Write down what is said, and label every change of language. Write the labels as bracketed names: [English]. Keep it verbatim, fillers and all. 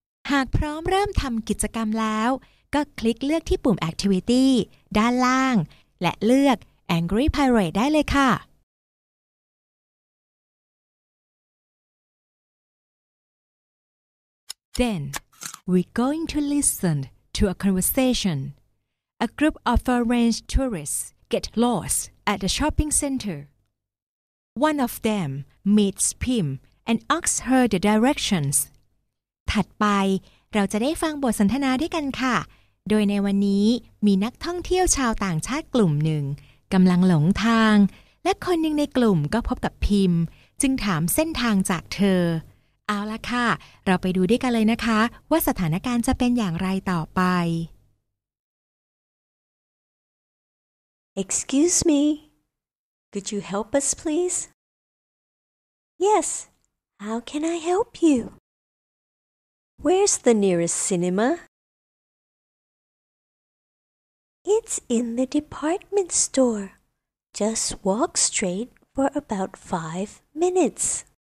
[Thai] หากพร้อมเริ่มทำกิจกรรมแล้วก็คลิกเลือกที่ปุ่ม Activity ด้านล่างและเลือก Angry Pirate ได้เลยค่ะ [English] Then we're going to listen to a conversation. A group of foreign tourists get lost at the shopping center. One of them meets Pim and asks her the directions. [Thai] ถัดไปเราจะได้ฟังบทสนทนาด้วยกันค่ะโดยในวันนี้มีนักท่องเที่ยวชาวต่างชาติกลุ่มหนึ่งกำลังหลงทางและคนหนึ่งในกลุ่มก็พบกับพิมจึงถามเส้นทางจากเธอเอาละค่ะเราไปดูด้วยกันเลยนะคะว่าสถานการณ์จะเป็นอย่างไรต่อไป [English] Excuse me, could you help us please? Yes, how can I help you? Where's the nearest cinema? It's in the department store. Just walk straight for about five minutes.